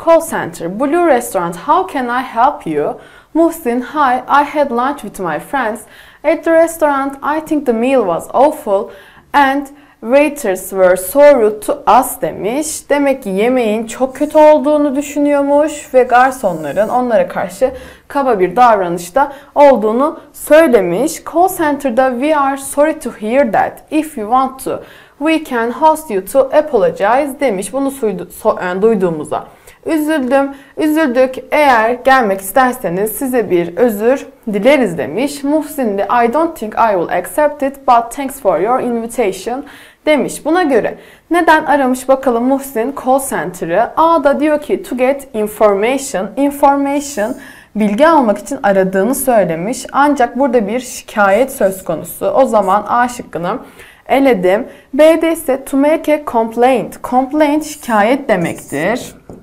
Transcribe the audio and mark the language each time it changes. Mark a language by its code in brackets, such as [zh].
[en] Call center, Blue Restaurant, how can I help you? Muhsin, hi, I had lunch with my friends. At the restaurant, I think the meal was awful and waiters were so rude to us [tr] demiş. Demek ki yemeğin çok kötü olduğunu düşünüyormuş ve garsonların onlara karşı kaba bir davranışta olduğunu söylemiş. [en] Call center'da we are sorry to hear that. If you want to, we can host you to apologize [tr] demiş. Bunu duyduğumuza. Üzüldüm, üzüldük. Eğer gelmek isterseniz size bir özür dileriz demiş. Muhsin de [en] I don't think I will accept it but thanks for your invitation [tr] demiş. Buna göre neden aramış bakalım Muhsin call center'ı? A'da diyor ki [en] to get information. Information [tr] bilgi almak için aradığını söylemiş. Ancak burada bir şikayet söz konusu. O zaman A şıkkını eledim. B'de ise [en] to make a complaint. Complaint [tr] şikayet demektir.